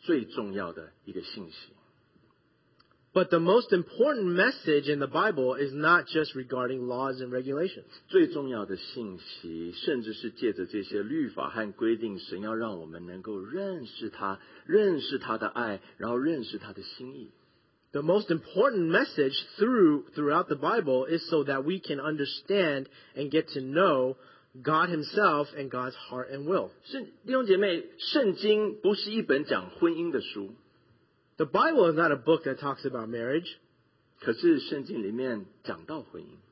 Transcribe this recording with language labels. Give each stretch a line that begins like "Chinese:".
Chinese: 可是律法和规定不是神话语要给我们的最重要的一个信息。
English: But the most important message in the Bible is not just regarding laws and regulations.
Chinese: 最重要的信息，甚至是借着这些律法和规定，神要让我们能够认识他，认识他的爱，然后认识他的心意。
English: The most important message throughout the Bible is so that we can understand and get to know God Himself and God's heart and will.
Chinese: 弟兄姐妹，圣经不是一本讲婚姻的书。
English: The Bible is not a book that talks about marriage.
Chinese: 可是圣经里面讲到婚姻。